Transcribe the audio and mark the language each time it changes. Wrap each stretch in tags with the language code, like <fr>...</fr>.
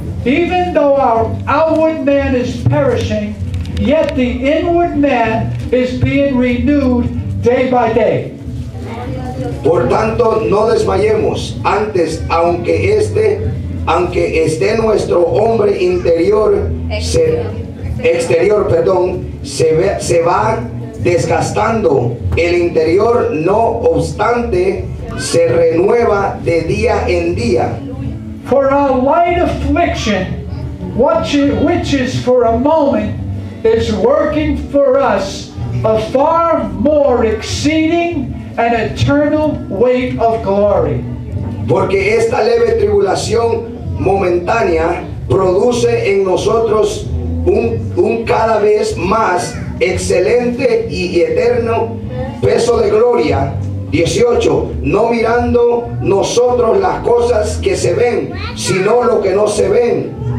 <en>Even though our outward man is perishing, yet the inward man is being renewed day by day.</en> <es>Por tanto, no desmayemos. Antes, aunque esté nuestro hombre interior, se va desgastando. El interior, no obstante, se renueva de día en día.</es> <en>For our light affliction, which is for a moment, is working for us a far more exceeding and eternal weight of glory.</en> <es>Porque esta leve tribulación momentánea produce en nosotros un cada vez más excelente y eterno peso de gloria. 18. No mirando nosotros las cosas que se ven, sino las que no se ven.</es>